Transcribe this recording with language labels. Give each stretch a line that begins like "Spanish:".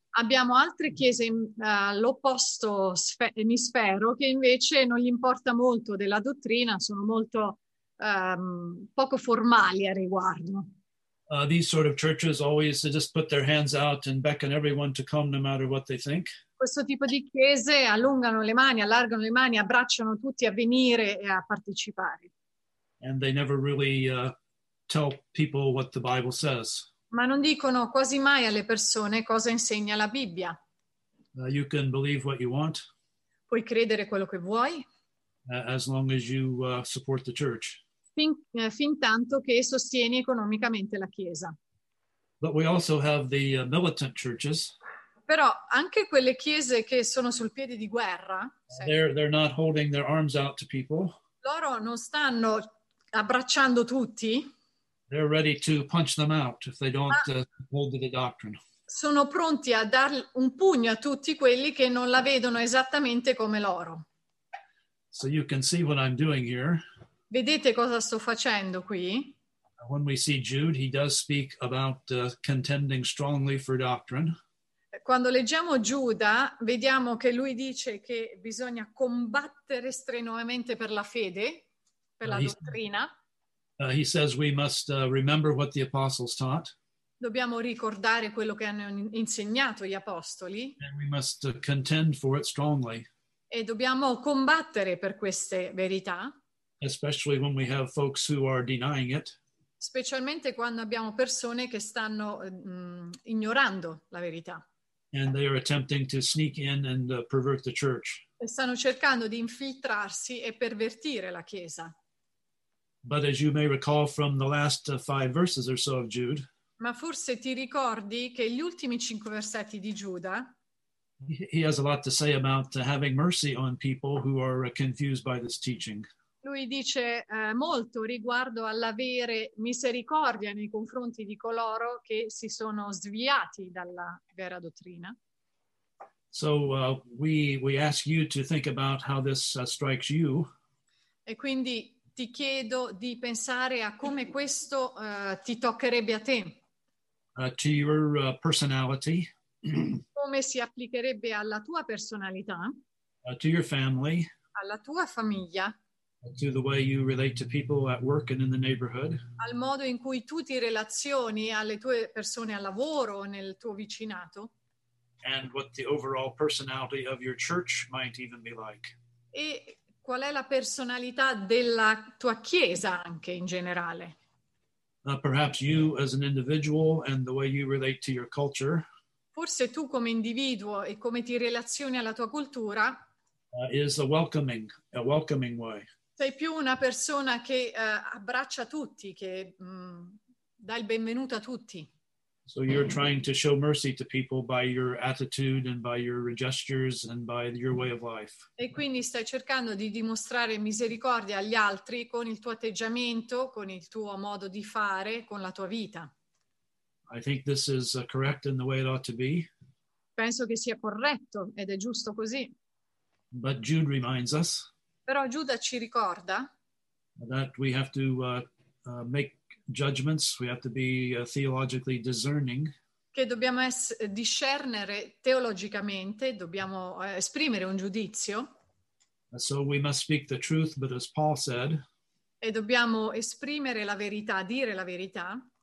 Italian: Abbiamo altre chiese all'opposto emisfero che invece non gli importa molto della dottrina, sono molto poco formali a riguardo.
English: These sort of churches always just put their hands out and beckon everyone to come no matter what they think.
Italian: Questo tipo di chiese allungano le mani, allargano le mani, abbracciano tutti a venire e a partecipare.
English: And they never really tell people what the Bible says.
Italian: Ma non dicono quasi mai alle persone cosa insegna la Bibbia.
English: You can believe what you want.
Italian: Puoi credere quello che vuoi.
English: As long as you support the church.
Italian: Fin tanto che sostieni economicamente la Chiesa.
English: But we also have the militant churches.
Italian: Però anche quelle chiese che sono sul piede di guerra,
English: they're not holding their arms out to people.
Italian: Loro non stanno abbracciando tutti.
English: They're ready to punch them out if they don't hold to the doctrine.
Italian: Sono pronti a dar un pugno a tutti quelli che non la vedono esattamente come loro.
English: So you can see what I'm doing here.
Italian: Vedete cosa sto facendo qui?
English: When we see Jude, he does speak about contending strongly for doctrine.
Italian: Quando leggiamo Giuda, vediamo che lui dice che bisogna combattere strenuamente per la fede, per la dottrina.
English: He says we must remember what the apostles taught.
Italian: Dobbiamo ricordare quello che hanno insegnato gli apostoli.
English: And we must contend for it strongly.
Italian: E dobbiamo combattere per queste verità.
English: Especially when we have folks who are denying it.
Italian: Specialmente quando abbiamo persone che stanno ignorando la verità.
English: And they are attempting to sneak in and pervert the church.
Italian: E stanno cercando di infiltrarsi e pervertire la chiesa.
English: But as you may recall from the last five verses or so of Jude,
Italian: ma forse ti ricordi che gli ultimi cinque versetti di Giuda,
English: he has a lot to say about having mercy on people who are confused by this teaching.
Italian: Lui dice molto riguardo all'avere misericordia nei confronti di coloro che si sono sviati dalla vera dottrina.
English: So we ask you to think about how this strikes you.
Italian: E quindi ti chiedo di pensare a come questo ti toccherebbe a te.
English: To your personality.
Italian: Come si applicherebbe alla tua personalità.
English: To your family.
Italian: Alla tua famiglia.
English: To the way you relate to people at work and in the neighborhood.
Italian: Al modo in cui tu ti relazioni alle tue persone al lavoro o nel tuo vicinato.
English: And what the overall personality of your church might even be like.
Italian: E qual è la personalità della tua chiesa anche in generale?
English: Perhaps you as an individual and the way you relate to your culture.
Italian: Forse tu come individuo e come ti relazioni alla tua cultura.
English: Is a welcoming way.
Italian: Sei più una persona che abbraccia tutti, che dà il benvenuto a tutti.
English: So you're trying to show mercy to people by your attitude and by your gestures and by your way of life.
Italian: E quindi stai cercando di dimostrare misericordia agli altri con il tuo atteggiamento, con il tuo modo di fare, con la tua vita.
English: I think this is correct in the way it ought to be.
Italian: Penso che sia corretto ed è giusto così.
English: But Jude reminds us.
Italian: Però Giuda ci ricorda
English: that we have to make judgments, we have to be theologically discerning.
Italian: Che dobbiamo discernere teologicamente, dobbiamo esprimere un giudizio.
English: So we must speak the truth, but as Paul said,
Italian: e dobbiamo esprimere la verità, dire la verità.